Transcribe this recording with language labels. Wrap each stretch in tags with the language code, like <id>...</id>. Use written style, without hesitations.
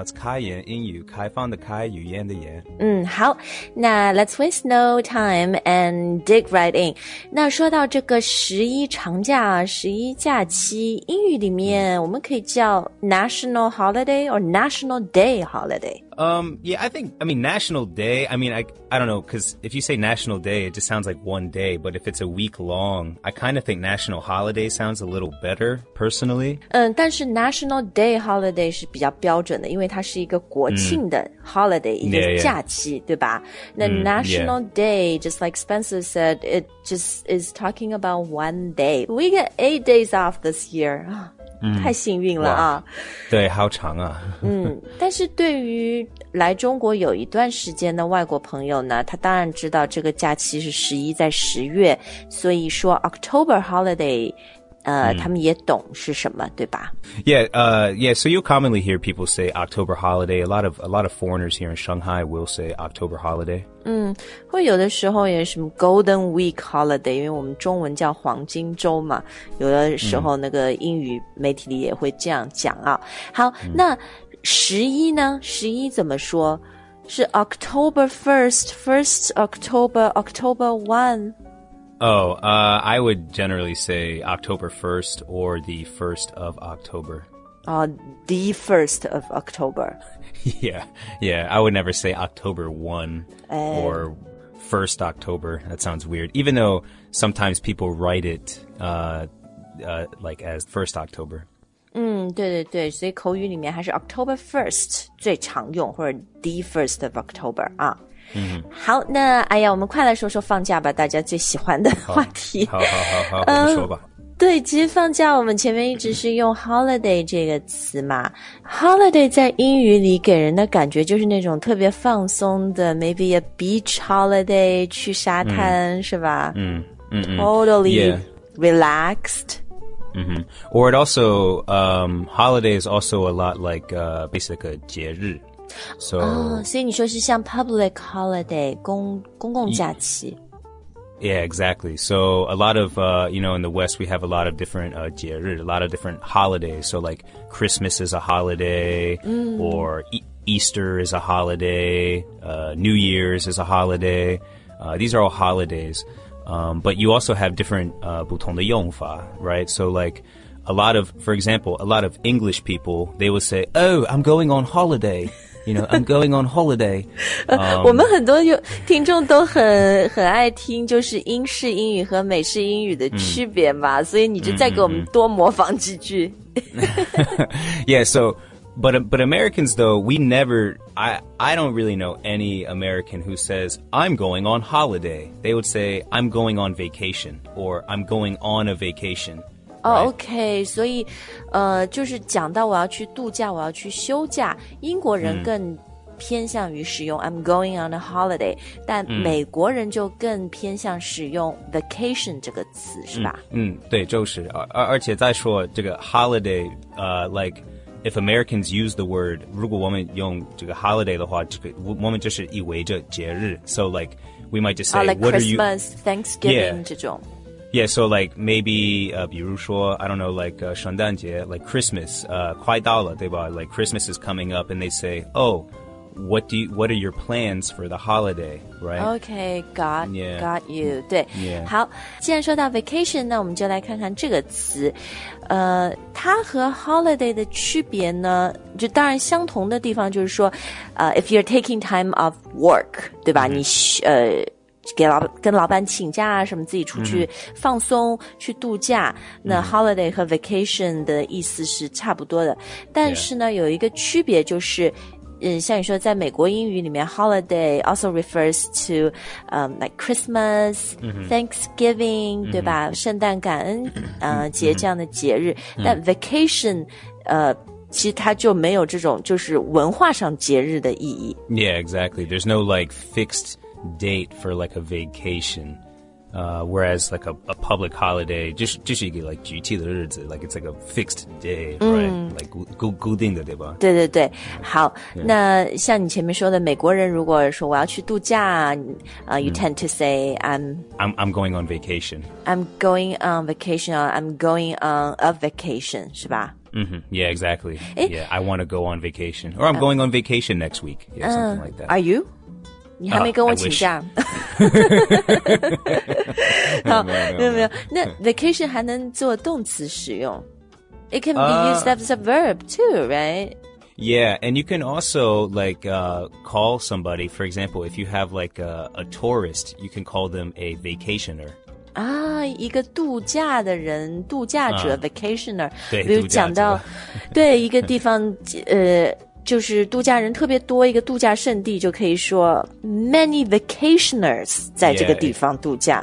<zh>It's 开言英语，开放的开，语言的言。</zh> <en>嗯，好，那 let's waste no time and dig right in.</en> <zh>那说到这个十一长假，十一假期，英语里面我们可以叫</zh> <en>National Holiday or National Day Holiday. National Day, I don't know, because if you say National Day, it just sounds like one day, but if it's a week long, I kind of think National Holiday sounds a little better, personally.</en> <zh>但是 National Day Holiday 是比较标准的，因为它是一个国庆的 holiday, 一个假期，</zh> <en>yeah, yeah.</en> <zh>对吧？</zh> <en>那 National Day, just like Spencer said, it just is talking about one day. We get 8 days off this year.</en> <zh>太幸运了啊。对，好长啊。但是对于来中国有一段时间的外国朋友呢，他当然知道这个假期是十一在十月，所以说 October holiday, 他们也懂是什么，对吧？</zh> <en>So you commonly hear people say October holiday. A lot of foreigners here in Shanghai will say October holiday.</en> <zh>会有的时候也什么 Golden Week Holiday, 因为我们中文叫黄金周嘛，有的时候那个英语媒体里也会这样讲啊。好，那十一呢？十一怎么说？</zh> <en>是 October 1st, 1st October, October 1? I would generally say October 1st or the 1st of October. The 1st of October. Yeah, I would never say October 1 or 1st October. That sounds weird. Even though sometimes people write it like as 1st October.</en> <zh>对对对，所以口语里面还是 October 1st 最常用，或者 the 1st of October 啊。好，那哎呀，我们快来说说放假吧，大家最喜欢的话题。好，我们说吧。对，其实放假我们前面一直是用 holiday 这个词嘛。 Holiday 在英语里给人的感觉就是那种特别放松的 ，</zh> <en>maybe a beach holiday，</en> <zh>去沙滩是吧？</zh> <en>Totally、relaxed。 Or it also holiday is also a lot like basically 节日。 So,</en> <zh>所以你说是像 public holiday, 公共假期。</zh> <en>Yeah, exactly. So a lot of, in the West, we have a lot of different 节日, a lot of different holidays. So like Christmas is a holiday, or Easter is a holiday, New Year's is a holiday. These are all holidays. But you also have different</en> <zh>不同的用法,</zh> <en>right? So like... A lot of English people, they will say, oh, I'm going on holiday. You know, I'm going on holiday.</en> <zh>我们很多听众都很爱听就是英式英语和美式英语的区别嘛，所以你就再给我们多模仿几句。</zh> <en>Yeah, so, but Americans though, we never, I don't really know any American who says, I'm going on holiday. They would say, I'm going on vacation, or I'm going on a vacation.</en> <zh>Oh, OK, 所以就是讲到我要去度假，我要去休假，英国人更偏向于使用</zh> <en>I'm going on a holiday，</en> <zh>但美国人就更偏向使用 vacation 这个词，是吧？对，就是。而且再说这个 holiday，</zh> <en>like if Americans use the word，</en> <zh>如果我们用这个 holiday 的话，这个我们就是以为这节日。</zh> <en>So like we might just say like what Christmas, are you</en> <zh>Thanksgiving 这种。</zh> <en>Yeah, so like maybe,</en> <zh>比如说</zh> <en>I don't know, like</en> <zh>圣诞节</zh> <en>like Christmas,</en> <zh>快到了对吧</zh> <en>like Christmas is coming up and they say, oh, what are your plans for the holiday, right? Okay, got you, 对、 yeah.</en> <zh>好既然说到 vacation, 那我们就来看看这个词它和 holiday 的区别呢就当然相同的地方就是说</zh> <en>if you're taking time off work,</en> <zh>对吧、mm-hmm. 跟老板请假啊什么自己出去放松、mm-hmm. 去度假那 holiday 和 vacation 的意思是差不多的但是呢、</zh> <en>yeah.</en> <zh>有一个区别就是像你说在美国英语里面</zh> <en>holiday also refers to、like Christmas、</en> <zh>mm-hmm. Thanksgiving、mm-hmm. 对吧圣诞感恩、节这样的节日、mm-hmm. 但 vacation 其实它就没有这种就是文化上节日的意义</zh> <en>Yeah exactly there's no like fixeddate for like a vacation whereas like a public holiday just you get like GT the words like it's like a fixed day、right?</en> <zh>like 固定的对吧对对对好、yeah. 那像你前面说的美国人如果说我要去度假、</zh> <en>you tend to say I'm going on vacation I'm going on vacation or I'm going on a vacation</en> <zh>是吧</zh> <en>Mm-hmm. Yeah, exactly. Yeah, I want to go on vacation. Or I'm going on vacation next week. Yeah, something like that. Are you?</en> <zh>你还没跟我请假。没有。那 vacation 还能做动词使用。</zh> <en>It can be used as a verb too, right? Yeah, and you can also like, call somebody. For example, if you have like a tourist, you can call them a vacationer.</en> <zh>啊，一个度假的人，度假者、vacationer，对比如讲到，对一个地方，就是度假人特别多，一个度假胜地，就可以说 many vacationers 在这个地方度假，</zh>